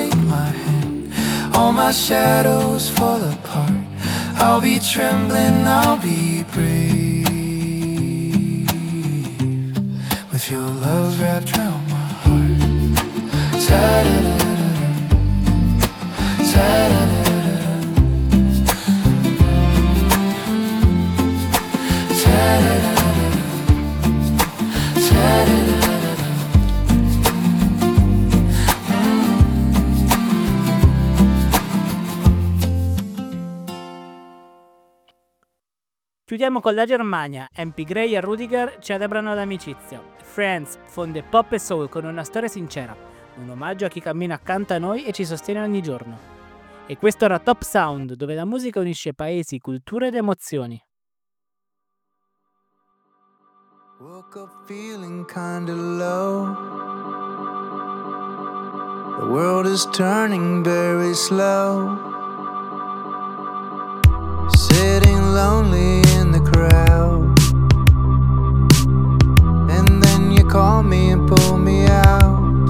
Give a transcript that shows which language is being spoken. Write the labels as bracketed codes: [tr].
[en] Shadows fall apart, I'll be trembling, I'll be brave, with your love wrapped around my heart. Ta-da-da-da-da, ta-da-da-da-da, ta-da-da-da-da, ta-da-da-da. [it] Chiudiamo con la Germania, MP Gray e Rudiger celebrano l'amicizia. Friends fonde pop e soul con una storia sincera, un omaggio a chi cammina accanto a noi e ci sostiene ogni giorno. E questo era Top Sound, dove la musica unisce paesi, culture ed emozioni. [en] Woke up feeling kinda low. The world is turning very slow. Sitting lonely in the crowd, and then you call me and pull me out.